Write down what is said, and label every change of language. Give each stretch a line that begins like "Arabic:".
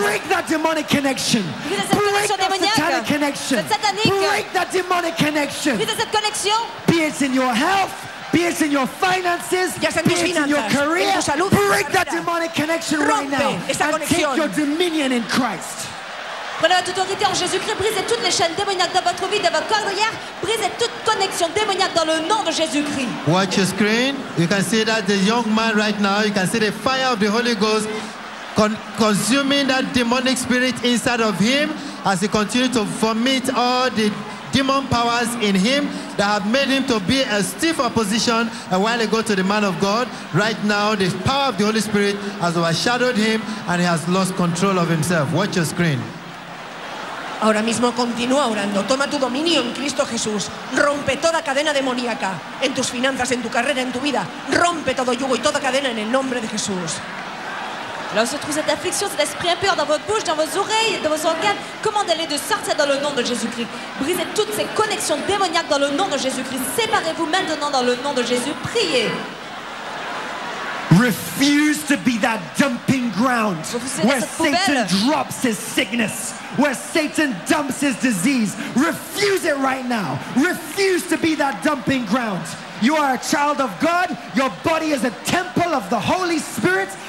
English: Break that demonic connection. Break that satanic connection. Break that demonic connection. Be it in your health. Be it in your finances, be it in your career, break that demonic connection right now and take your dominion in Christ.
French: Prenez votre autorité en Jésus-Christ, brisez toutes les chaînes démoniaques dans votre vie, dans votre corps d'hier, brisez toute connexion démoniaque dans le nom de Jésus-Christ.
English: Watch your screen, you can see that the young man right now, you can see the fire of the Holy Ghost consuming that demonic spirit inside of him as he continues to vomit all the demon powers in him that have made him to be a stiff opposition a while ago to the man of God. Right now, the power of the Holy Spirit has overshadowed him and he has lost control of himself. Watch your screen.
Spanish: Ahora mismo continúa orando. Toma tu dominio en Cristo Jesús. Rompe toda cadena demoníaca en tus finanzas, en tu carrera, en tu vida. Rompe todo yugo y toda cadena en el nombre de Jesús.
French: Là où se trouve cette affliction, cet esprit impur dans votre bouche, dans vos oreilles, dans vos organes, commandez-les de sortir dans le nom de Jésus-Christ. Brisez toutes ces connexions démoniaques dans le nom de Jésus-Christ. Séparez-vous maintenant dans le nom de Jésus. Priez.
English: Refuse to be that dumping ground where Satan drops his sickness, where Satan dumps his disease. Refuse it right now. Refuse to be that dumping ground. You are a child of God. Your body is a temple of the Holy Spirit.